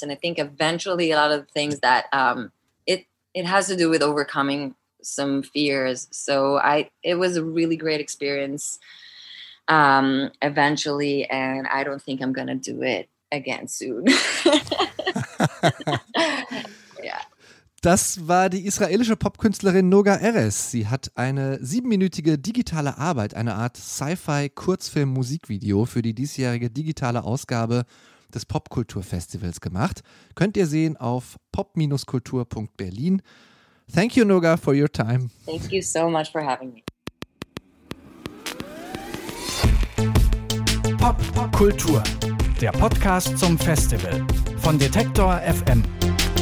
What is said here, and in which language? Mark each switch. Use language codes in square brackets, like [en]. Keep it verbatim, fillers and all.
[en] And I think eventually a lot of things that um, it it has to do with overcoming some fears. So I it was a really great experience um eventually, and I don't think I'm gonna do it again soon. [de] Ja. Das war die israelische Popkünstlerin Noga Erez. Sie hat eine siebenminütige digitale Arbeit, eine Art Sci-Fi-Kurzfilm-Musikvideo für die diesjährige digitale Ausgabe des Popkulturfestivals gemacht. Könnt ihr sehen auf pop dash kultur punkt berlin. [en] Thank you, Noga, for your time. Thank you so much for having me. [de] Popkultur, der Podcast zum Festival von Detektor F M.